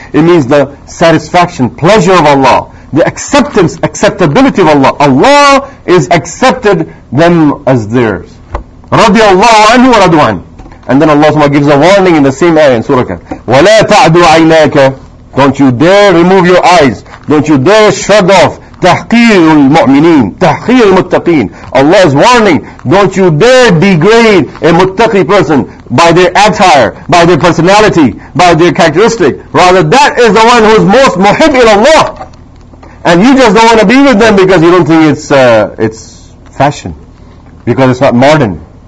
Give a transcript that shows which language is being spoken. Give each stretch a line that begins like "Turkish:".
English: It means the satisfaction, pleasure of Allah. The acceptance, acceptability of Allah. Allah is accepted them as theirs.
Arabic: رَضِيَ اللَّهُ عَنْهُ وَرَضُوا عَنْهُ.
English: And then Allah gives a warning in the same ayah in Surah.
Arabic: وَلَا تَعْدُوا عَيْنَاكَ.
English: Don't you dare remove your eyes. Don't you dare shrug off.
Arabic: تحقير المؤمنين تحقير المتقين.
English: Allah is warning, don't you dare degrade a muttaqi person by their attire, by their personality, by their characteristic. Rather, that is the one who is most muhib in Allah, and you just don't want to be with them because you don't think it's fashion, because it's not modern.